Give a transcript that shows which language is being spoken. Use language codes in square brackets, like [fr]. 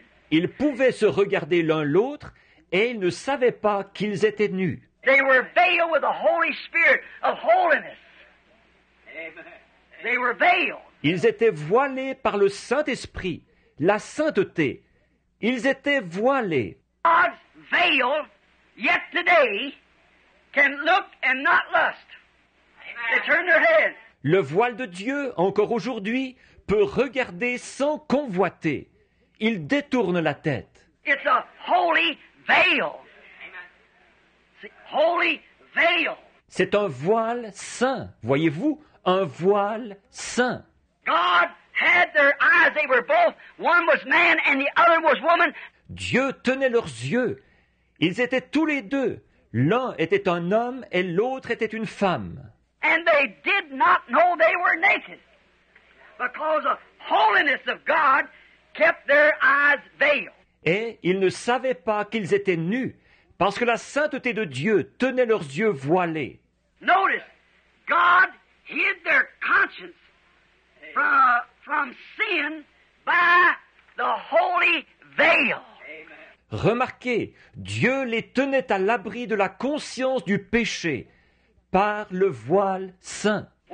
[fr] Ils pouvaient se regarder l'un l'autre et ils ne savaient pas qu'ils étaient nus. [en] They were veiled with the Holy Spirit of holiness. They were veiled. [fr] Ils étaient voilés par le Saint-Esprit, la sainteté. Ils étaient voilés. [en] God's veil. Yet today, can look and not lust. They turn their head. [fr] Le voile de Dieu, encore aujourd'hui, peut regarder sans convoiter. Il détourne la tête. [en] It's a holy veil. Holy veil. [fr] C'est un voile saint, voyez-vous, un voile saint. [en] God had their eyes. They were both. One was man, and the other was woman. [fr] Dieu tenait leurs yeux. Ils étaient tous les deux. L'un était un homme et l'autre était une femme. [en] And they did not know they were naked, because the holiness of God kept their eyes veiled. [fr] Et ils ne savaient pas qu'ils étaient nus, parce que la sainteté de Dieu tenait leurs yeux voilés. [en] Notice, God hid their conscience from sin by the holy veil. [fr] Remarquez, Dieu les tenait à l'abri de la conscience du péché par le voile saint.